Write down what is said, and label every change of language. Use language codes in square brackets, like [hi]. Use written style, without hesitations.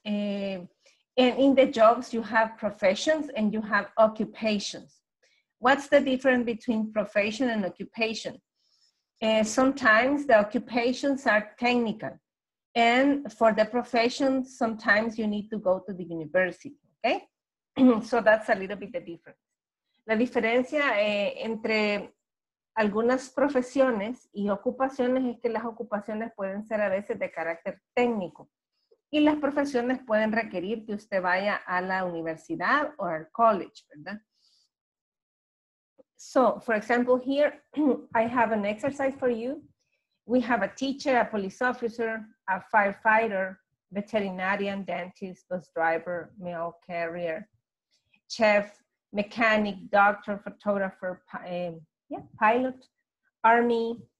[en] And in the jobs, you have professions and you have occupations. What's the difference between profession and occupation? Sometimes the occupations are technical. And for the profession, sometimes you need to go to the university, okay? So that's a little bit the difference. [es] La diferencia entre algunas profesiones y ocupaciones es que las ocupaciones pueden ser a veces de carácter técnico y las profesiones pueden requerir que usted vaya a la universidad o al college, ¿verdad? [en] So, for example, here I have an exercise for you. We have a teacher, a police officer, a firefighter, veterinarian, dentist, bus driver, mail carrier, chef, mechanic, doctor, photographer, pilot, army.